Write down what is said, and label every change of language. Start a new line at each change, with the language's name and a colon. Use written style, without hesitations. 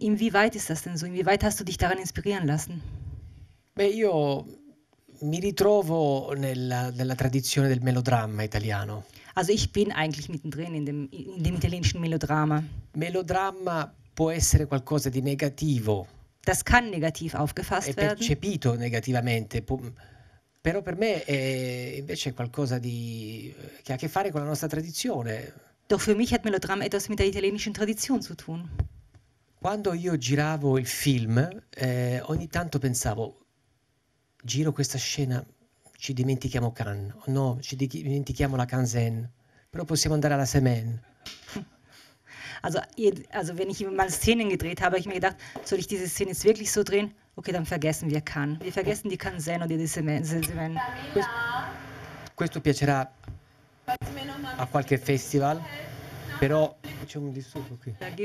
German: Inwieweit ist das denn so? Inwieweit hast du dich daran inspirieren lassen?
Italian: Beh, io mi ritrovo nella tradizione del melodramma italiano.
German: Also ich bin eigentlich mittendrin in dem italienischen Melodrama.
Italian: Melodramma può essere qualcosa di negativo.
German: Das kann negativ aufgefasst werden.
Italian: È percepito negativamente. Però per me è invece qualcosa di che ha a che fare con la nostra tradizione.
German: Doch für mich hat Melodram etwas mit der italienischen Tradition zu tun.
Italian: Quando io giravo il film, ogni tanto pensavo, giro questa scena, ci dimentichiamo Cannes, o no, ci dimentichiamo la Canzen, però possiamo andare alla Semen.
German: Also wenn ich mal Szenen gedreht habe, ich mir gedacht, soll ich diese Szene jetzt wirklich so drehen? Okay, dann vergessen wir Cannes. Wir vergessen die Canzen oder die Semen.
Italian: questo piacerà a qualche festival, però c'è un disturbo qui.